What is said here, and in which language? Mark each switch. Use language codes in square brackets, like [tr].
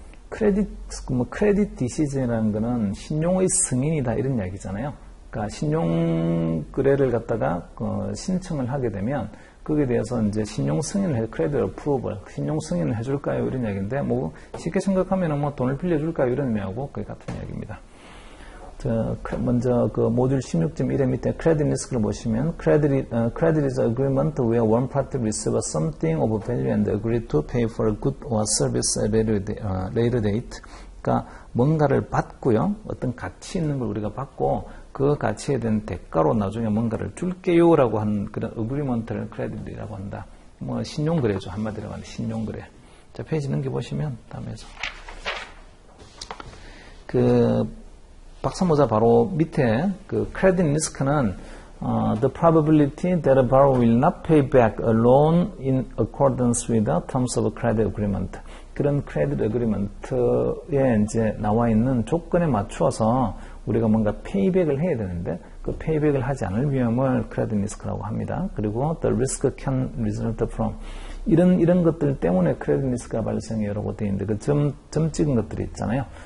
[ko] Credit Decision이라는 거는 신용의 승인이다 이런 이야기잖아요. 그러니까 신용 의뢰를 갖다가 신청을 하게 되면 거기에 대해서 이제 신용 승인을 해 Credit Approval, 신용 승인을 해줄까요 이런 이야기인데 뭐 쉽게 생각하면 뭐 돈을 빌려줄까요 이런 의미하고 그 같은 이야기입니다. 먼저 그 모듈 16.1의 밑에 credit risk를 보시면 [en] credit is agreement where one party receives something of value and agrees to pay for a good or service at a later date [ko] 그러니까 뭔가를 받고요. 어떤 가치 있는 걸 우리가 받고 그 가치에 대한 대가로 나중에 뭔가를 줄게요 라고 하는 그런 agreemental credit이라고 한다. 뭐 신용거래죠. 한마디로 말해 신용거래. 자, 페이지 넘겨보시면 다음에서 그 박사모자 바로 밑에 그 credit risk는 [en] the probability that a borrower will not pay back a loan in accordance with the terms of a credit agreement. [ko] 그런 credit agreement에 이제 나와 있는 조건에 맞추어서 우리가 뭔가 payback을 해야 되는데 그 payback을 하지 않을 위험을 credit risk라고 합니다. 그리고 [en] the risk can result from [ko] 이런 것들 때문에 credit risk가 발생해라고 되어 있는데 그 점 찍은 것들이 있잖아요.